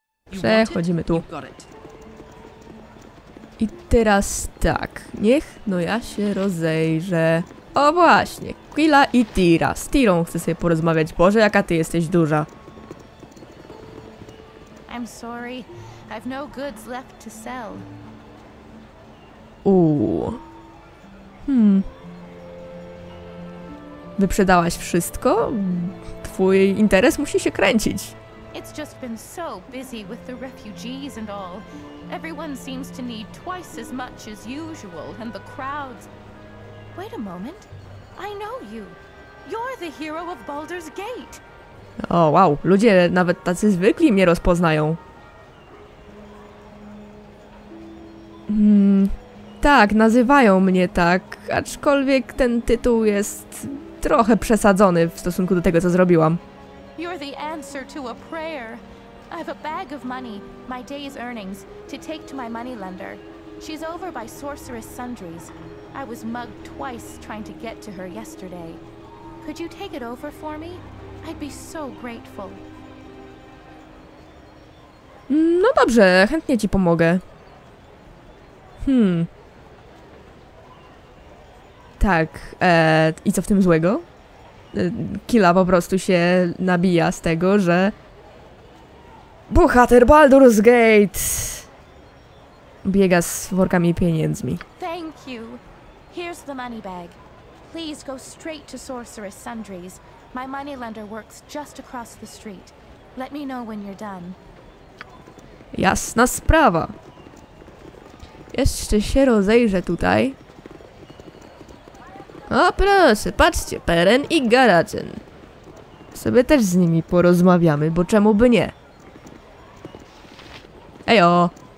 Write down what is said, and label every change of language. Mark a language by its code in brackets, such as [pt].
[pl] Przechodzimy tu. I teraz tak. Niech no ja się rozejrzę. O właśnie. Quilla i Tira. Z Tirą chcę sobie porozmawiać. Boże, jaka ty jesteś duża. [en] I'm sorry. I've no goods left to sell. [pl] Wyprzedałaś wszystko? Twój interes musi się kręcić. [en] It's just been so busy with the refugees and all. Everyone seems to need twice as much as usual, and the crowds... Wait a moment. I know you. You're the hero of Baldur's Gate. O, wow. [pl] Ludzie, nawet tacy zwykli, mnie rozpoznają. Tak, nazywają mnie tak, aczkolwiek ten tytuł jest trochę przesadzony w stosunku do tego, co zrobiłam. [en] You're the answer to a prayer. I have a bag of money, my day's earnings, to take to my moneylender. She's over by Sorceress Sundries. I was mugged twice trying to get to her yesterday. Could you take it over for me? I'd be so grateful. [pl] No dobrze, chętnie ci pomogę. Tak, i co w tym złego? Killa po prostu się nabija z tego, że... Bohater Baldur's Gate! Biega z workami pieniędzmi. [en] Thank you. Here's the money bag. Please go straight to Sorceress Sundries. My moneylender works just across the street. Let me know when you're done. [pl] Jasna sprawa. Jeszcze się rozejrzę tutaj. O, proszę, patrzcie, Peren i Garacin. Sobie też z nimi porozmawiamy, bo czemu by nie? Ejo!